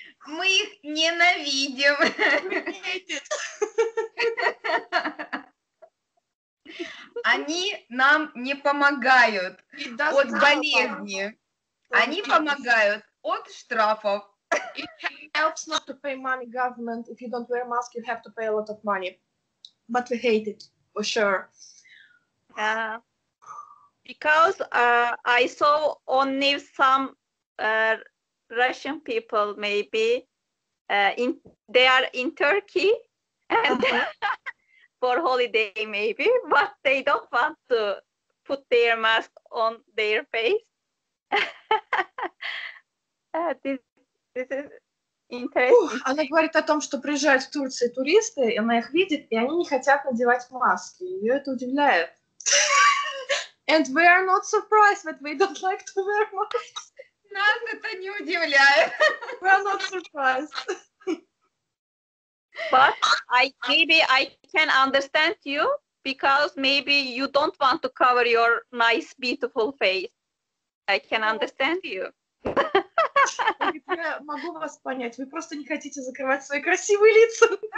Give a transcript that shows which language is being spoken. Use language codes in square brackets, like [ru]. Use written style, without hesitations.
[ru] Мы их ненавидим. Они нам не помогают от болезни. Они помогают от штрафов. [en] It helps not to pay money government. If you don't wear a mask, you have to pay a lot of money. But we hate it, for sure. Because I saw only some Russian people, maybe. They are in Turkey and for holiday, maybe. But they don't want to put their mask on their face. This is interesting. [ru] Она говорит о том, что приезжают в Турцию туристы, и она их видит, и они не хотят надевать маски. Ее это удивляет. [en] And we are not surprised that we don't like to wear masks. [ru] Нас это не удивляет. [en] We are not surprised. But maybe I can understand you, because maybe you don't want to cover your nice, beautiful face. I can understand you. [ru] Я могу вас понять. Вы просто не хотите закрывать свои красивые лица.